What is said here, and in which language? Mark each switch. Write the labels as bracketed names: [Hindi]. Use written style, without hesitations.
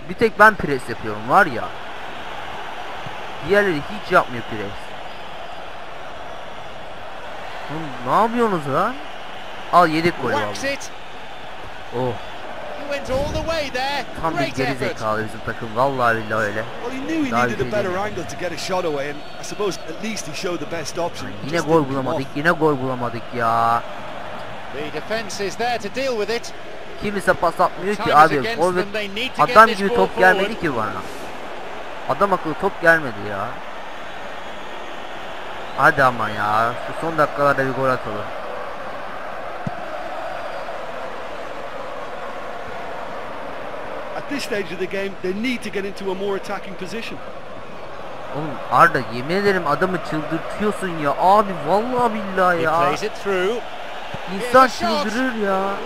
[Turkish] Bir tek ben pres yapıyorum var ya. Diğerleri hiç yapmıyor pres. Ne yapıyorsunuz lan? Al yedek gol aldım. Oh. [English] went all the way there. [Turkish] Tam bir gerizekalı bizim takım. Vallahi billahi öyle. [English] Well, he knew he needed a better angle to get a shot away, and I suppose at least he showed the best option. [Turkish] Yani yine gol bulamadık. Yine gol bulamadık ya. [English] The defense is there to deal with it. [Turkish] Kimse pas atmıyor ki abi. Forvet adam gibi top gelmedi ki bana. Adam akıllı top gelmedi ya. Hadi ama ya. Şu son dakikalarda bir gol atalım. [English] At this stage of the game, they need to get into a more attacking position. [Turkish] Oğlum Arda, yemin ederim adamı çıldırtıyorsun ya. Abi vallahi billahi ya. İnsan çıldırır ya.